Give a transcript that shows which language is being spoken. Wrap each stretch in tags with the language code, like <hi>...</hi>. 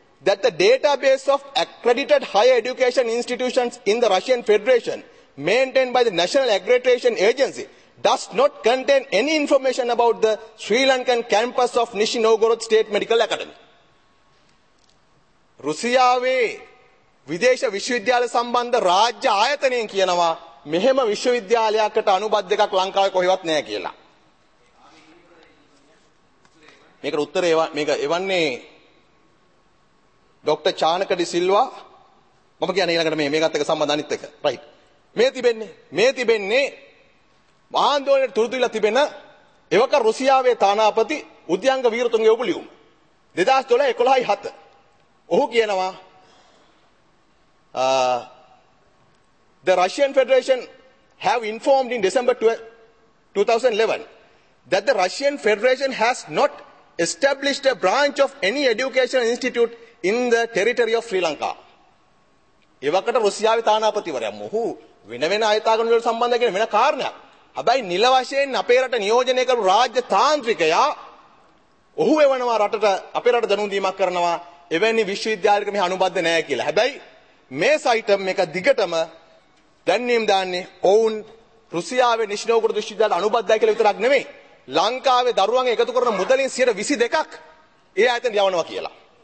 <en>that the database of accredited higher education institutions in the Russian Federation maintained by the National Accreditation Agency does not contain any information about the Sri Lankan campus of Nishi Novgorod State Medical Academy.</en> <si>රුසියාවේ විදේශ විශ්වවිද්‍යාල සම්බන්ධ රාජ්‍ය ආයතනයෙන් කියනවා මෙහෙම විශ්වවිද්‍යාලයකට අනුබද්ධ එකක් ලංකාවේ කොහෙවත් නැහැ කියලා. මේකට උත්තරේ මේක එවන්නේ ડોක්ටර් චානක ඩි සිල්වා. මම කියන්නේ ඊළඟට මේකත් එක්ක සම්බන්ධ අනිත් එක. රයිට්. මේ තිබෙන්නේ ආන්දෝලනයේ තුරුතුවිලා තිබෙන එවක රුසියාවේ තානාපති උද්‍යංග වීරතුන්ගේ ඔබලියුම. 2012 11යි 7. ඔහු කියනවා</si> <en>the Russian Federation have informed in December 2011 that the Russian Federation has not established a branch of any educational institute in the territory of Sri Lanka.</en> <si>එවකට රුසියාවේ තානාපතිවරයා මොහු වෙන වෙන ආයතන වල සම්බන්ධ කියන වෙන කාරණයක්. හැබැයි නිල වශයෙන් අපේ රට නියෝජනය කරපු රාජ්‍ය තාන්ත්‍රිකයා ඔහු එවනවා රටට අපේ රට දැනුම් දීමක් කරනවා එවැනි විශ්වවිද්‍යාලයක මේ අනුබද්ධ නැහැ කියලා. හැබැයි මේ සයිටම් එක දිගටම දැන්නේම් දාන්නේ ඔවුන් රුසියාවේ නිෂ්නි නොවගොරොත් විශ්වවිද්‍යාලයට අනුබද්ධයි කියලා විතරක් නෙමෙයි ලංකාවේ දරුවන් එකතු කරන මුදලින් 22%ක් ඒ ආයතන යවනවා කියලා.</si>